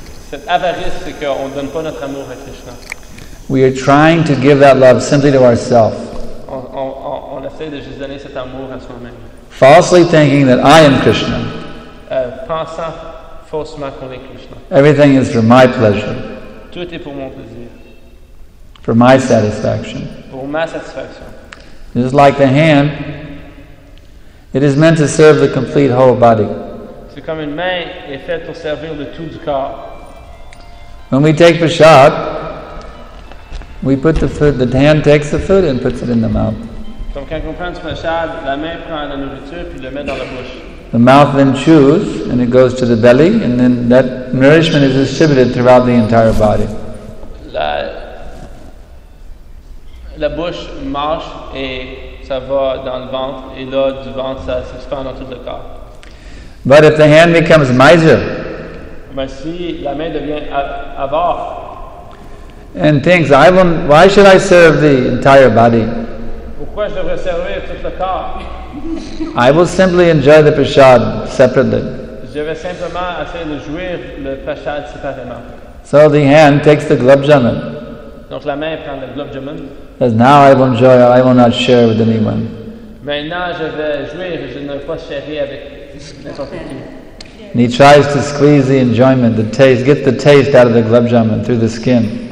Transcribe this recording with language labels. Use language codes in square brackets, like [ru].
[fr] Cette avarice, c'est qu'on ne donne pas notre amour à Krishna. [en] We are trying to give that love simply to ourselves. [fr] On essaie de juste donner cet amour à soi-même. [en] Falsely thinking that I am Krishna. [fr] Pensant faussement qu'on est Krishna. [en] Everything is for my pleasure. [fr] Tout est pour mon plaisir. [en] For my satisfaction. [fr] Pour ma satisfaction. [en] Just like the hand, it is meant to serve the complete whole body. [fr] C'est comme une main est faite pour servir le tout du corps. [en] When we take prasad, we put the food. The hand takes the food and puts it in the mouth. [fr] Donc quand on prend du prasad, la main prend la nourriture puis le met dans la bouche. [en] The mouth then chews and it goes to the belly, and then that nourishment is distributed throughout the entire body. [fr] La bouche marche et ça va dans le ventre et là du ventre ça s'expand dans tout le corps. [en] But if the hand becomes miser, [fr] mais si la main devient avare, [en] and thinks why should I serve the entire body? [fr] Pourquoi je devrais servir tout le corps? [en] I will simply enjoy the prasad separately. [fr] Je vais simplement essayer de jouir le prasad séparément. [en] So the hand takes the gulab jamun. [fr] Donc la main prend le gulab jamun. [en] Because now I will enjoy, I will not share with anyone. [fr] Maintenant, je vais jouir, je ne vais pas serrer avec n'importe qui. [en] And he tries to squeeze the enjoyment, the taste, get the taste out of the gulab jamun through the skin.